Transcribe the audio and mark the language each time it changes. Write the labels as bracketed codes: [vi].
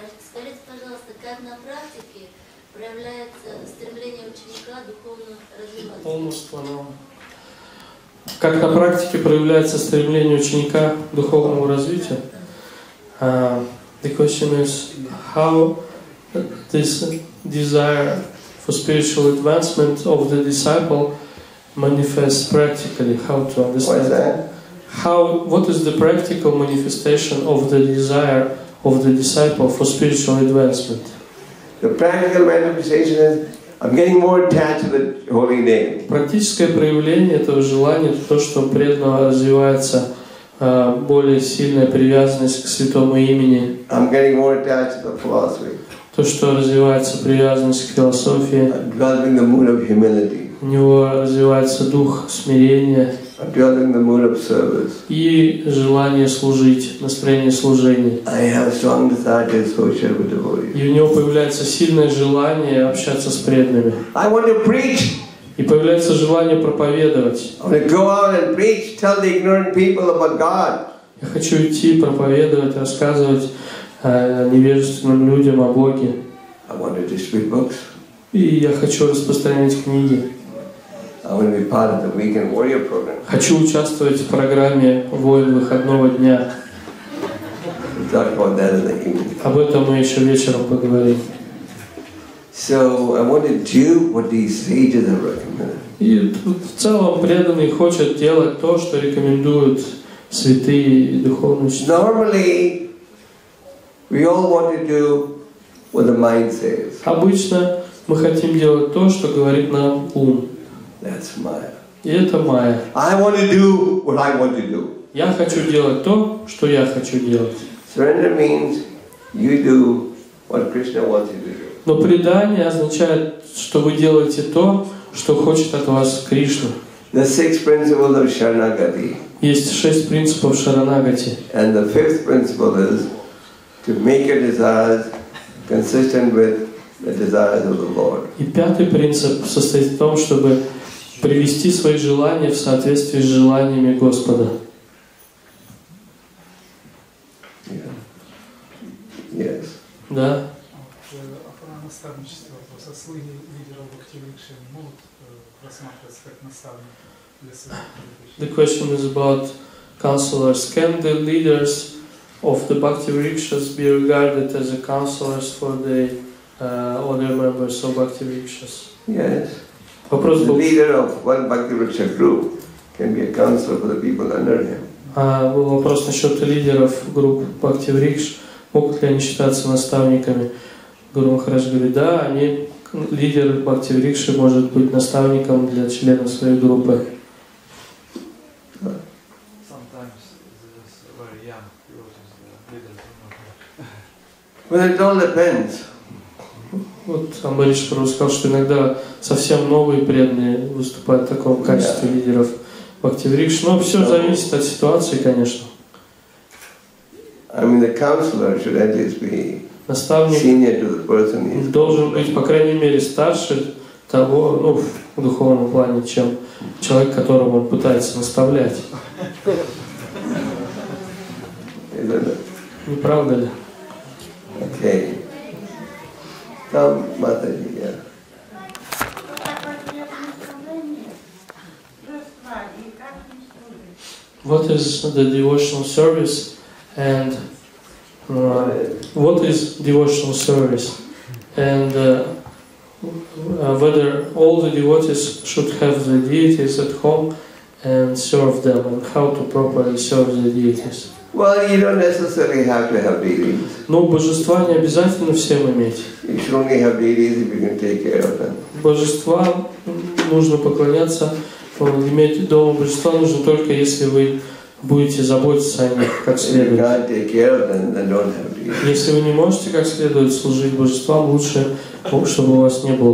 [ru] Скажите, пожалуйста, как на практике проявляется стремление ученика духовно развиваться? Полностью, но... Как на практике проявляется стремление ученика духовному развитию? [en] The question is, how this desire for spiritual advancement of the disciple manifests practically? How to understand? Why is that? What is the practical manifestation of the desire of the disciple for spiritual advancement? The practical manifestation is, I'm getting more attached to the holy name. [ru] Практическое проявление этого желания — это то, что у преданного развивается более сильная привязанность к святому имени. [en] I'm getting more attached to the philosophy. [ru] То, что развивается привязанность к философии. [en] I'm developing the mood of humility. [ru] У него развивается дух смирения. [en] I'm building the mood of service. [ru] И желание служить, настроение служения. [en] I have strong desire to associate with devotees. [ru] И у него появляется сильное желание общаться с преданными. [en] I want to preach. [ru] И появляется желание проповедовать. [en] I want to go out and preach, tell the ignorant people about God. [ru] Я хочу идти проповедовать, рассказывать невежественным людям о Боге. [en] I want to distribute books. [ru] И я хочу распространять книги. [en] I want to be part of the weekend warrior program. [ru] Хочу участвовать в программе «Воин выходного дня». [en] We'll talk about that in the evening. [ru] Об этом мы еще вечером поговорим. [en] So I want to do what these sages are recommending. [ru] И в целом преданные хотят делать то, что рекомендуют святые и духовные учителя. [en] Normally, we all want to do what the mind says. [ru] Обычно мы хотим делать то, что говорит нам ум. [en] That's Maya. [ru] И это Майя. [en] I want to do what I want to do. [ru] Я хочу делать то, что я хочу делать. [en] Surrender means you do what Krishna wants you to do. [ru] Но предание означает, что вы делаете то, что хочет от вас Кришна. [en] The six principles of Sharanagati. [ru] Есть шесть принципов Шаранагати. [en] And the fifth principle is to make your desires consistent with the desires of the Lord. [ru] И пятый принцип состоит в том, чтобы привести свои желания в соответствии с желаниями Господа. Да. Наставничество по сослуге лидера Бхакти Викшен могут рассматриваться как наставник для сослуги. [en] The question is about counselors. Can the leaders of the Bhakti Rikshas be regarded as the counselors for the other members of Bhakti Rikshas? Yes. [ru] Вопрос был. [en] Leader of one Bhakti Riksha group can be a counselor for the people under him. [ru] Был вопрос насчет лидеров групп Бхакти Рикш. Могут ли они считаться наставниками? Гуру Махарадж говорит, да, они, лидер Бхакти Рикши, может быть наставником для члена своей группы. [en] Well, it all depends. [ru] Вот Амбариш Прабху сказал, что иногда совсем новые преданные выступают в таком качестве лидеров Бхакти Рикши. Но все зависит от ситуации, конечно. [en] I mean, the counselor should at least be senior to the person. [ru] Наставник должен быть, по крайней мере, старше того, ну, в духовном плане, чем человек, которого он пытается наставлять. Не правда ли? Окей. Там Матаджи, я. [en] What is the devotional service and what is devotional service and whether all the devotees should have the deities at home and serve them and how to properly serve the deities? Well, you don't necessarily have to have deities. [ru] Но божества не обязательно всем иметь. [en] You should only have deities if you can take care of them. [ru] Божества нужно поклоняться, иметь дома божества нужно только если вы будете заботиться о них как следует. Если вы не можете как следует служить Божествам, лучше, чтобы у вас не было